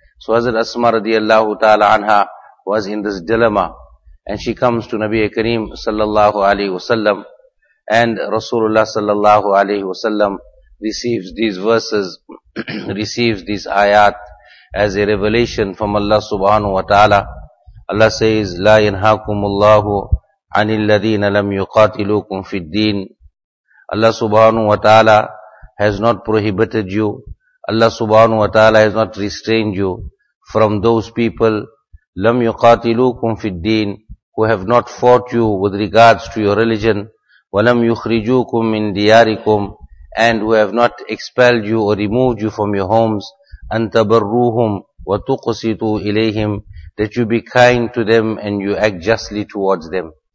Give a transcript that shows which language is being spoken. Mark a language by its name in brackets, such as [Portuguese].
[English] So Hazrat Asma radiallahu ta'ala anha was in this dilemma. And she comes to Nabi Kareem sallallahu alayhi wa sallam, and Rasulullah sallallahu alayhi wa sallam receives these verses, receives these ayat as a revelation from Allah subhanahu wa ta'ala. Allah says, [Arabic] لا ينهاكم الله عن الذين لم يقاتلوكم في الدين. [English] Allah subhanahu wa ta'ala has not prohibited you. Allah subhanahu wa ta'ala has not restrained you from those people. [Arabic] لم يقاتلوكم في الدين, [English] who have not fought you with regards to your religion, [Arabic] وَلَمْ يُخْرِجُوكُمْ مِنْ دِيَارِكُمْ, [English] and who have not expelled you or removed you from your homes, [Arabic] أَنْ تَبَرُّوهُمْ وَتُقْسِطُوا إِلَيْهِمْ, [English] that you be kind to them and you act justly towards them.